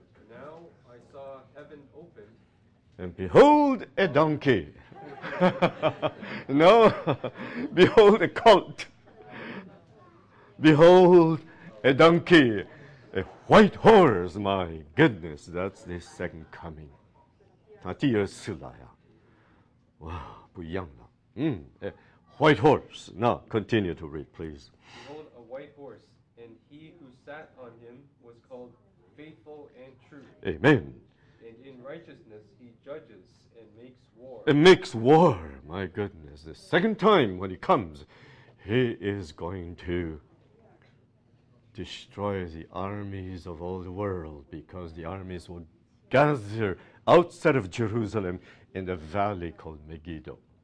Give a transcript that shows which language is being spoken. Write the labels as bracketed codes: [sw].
[en] Now I saw heaven open, and behold, a donkey. No, behold a colt, behold a donkey, a white horse, my goodness, that's the second coming. [zh] 他第二次来啊,哇,不一样了, [en] a white horse. Now, continue to read, please. Behold a white horse, and he who sat on him was called Faithful and True. Amen. And in righteousness he judges. It makes war, my goodness. The second time when he comes, he is going to destroy the armies of all the world because the armies will gather outside of Jerusalem in the valley called Megiddo.